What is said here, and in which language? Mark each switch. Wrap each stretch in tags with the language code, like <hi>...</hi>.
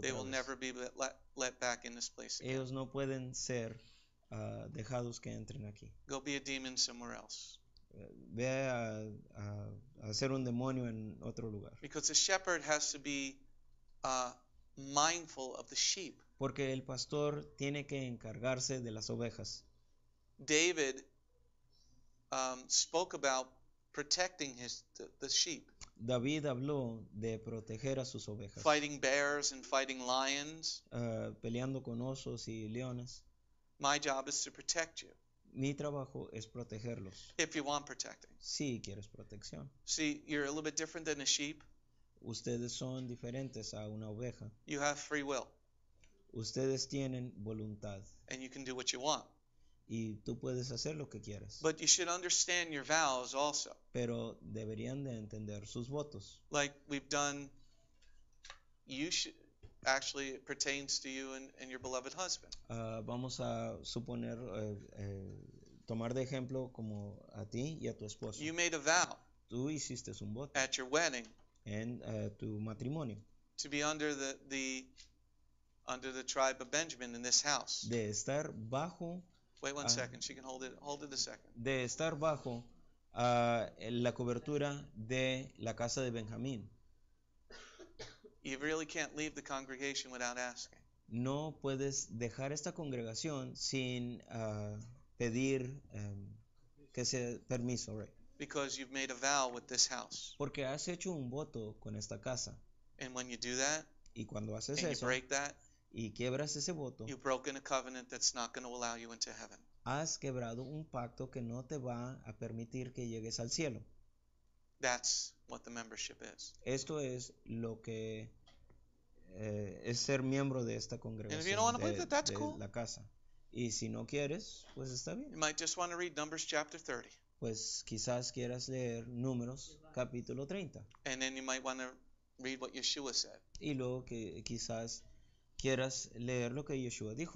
<en>they will never be let back in this place again.</en> <es>Ellos no pueden ser dejados que entren aquí.</es> <en>Go be a demon somewhere else.</en> <es>Ve a ser un demonio en otro lugar.</es> <en>Because the shepherd has to be mindful of the sheep.</en> <es>Porque el pastor tiene que encargarse de las ovejas.</es> <en>David spoke about protecting the sheep.</en> <es>David habló de proteger a sus ovejas.</es> <en>Fighting bears and fighting lions.</en> <es>Peleando con osos y leones.</es> <en>My job is to protect you.</en> <es>Mi trabajo es protegerlos.</es> <en>If you want protecting.</en> <es>Si quieres protección.</es> <en>See, you're a little bit different than a sheep.</en> <es>Ustedes son diferentes a una oveja.</es> <en>You have free will.</en> <es>Ustedes tienen voluntad.</es> <en>And you can do what you want.</en> <es>Y tú puedes hacer lo que quieras.</es> <en>But you should understand your vows also.</en> <es>Pero deberían de entender sus votos.</es> <en>Like we've done, you should, actually it pertains to you and your beloved husband.</en> <es>Vamos a suponer, tomar de ejemplo como a ti y a tu esposo.</es> <en>You made a vow.</en> <es>Tú hiciste un voto.</es> <en>At your wedding.</en> <es>En tu matrimonio.</es> <en>To be under the tribe of Benjamin in this house.</en> <es>De estar bajo.</es> <en>Wait one second. She can hold it. Hold it a second.</en> <es>De estar bajo la cobertura de la casa de Benjamín.</es> <en>You really can't leave the congregation without asking.</en> <es>No puedes dejar esta congregación sin pedir que sea permiso, right?</es> <en>Because you've made a vow with this house.</en> <es>Porque has hecho un voto con esta casa.</es> <en>And when you do that.</en> <es>Y cuando haces</es> <en>and</en> <es>eso.</es> <en>And you break that.</en> <es>Y quiebras ese voto.</es> <en>You've broken a covenant that's not going to allow you into heaven.</en> <es>Has quebrado un pacto que no te va a permitir que llegues al cielo.</es> <en>That's what the membership is.</en> <es>Esto es lo que es ser miembro de esta congregación.</es> <en>And if you don't want to believe that, that's cool.</en> <es>La casa. Y si no quieres, pues está bien.</es> <en>You might just want to read Numbers chapter 30.</en> <es>Pues quizás quieras leer Números capítulo 30.</es> <en>And then you might want to read what Yeshua said.</en> <es>Y luego que quizás quieras leer lo que Yeshua dijo.</es>